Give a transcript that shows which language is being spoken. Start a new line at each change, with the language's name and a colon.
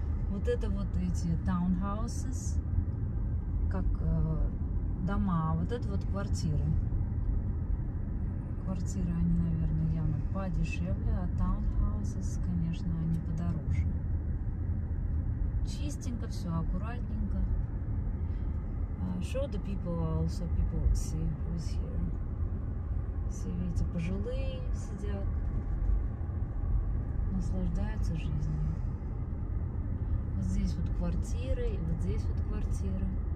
Russian: Вот это вот эти townhouses, как дома, вот это вот квартиры. Квартиры, они, наверное, явно подешевле, а townhouses, конечно, они подороже. Чистенько все, аккуратненько.
English: Show the people also, people would see who's here.
Russian: Все, видите, пожилые сидят, наслаждаются жизнью. Вот здесь вот квартиры, и вот здесь вот квартиры.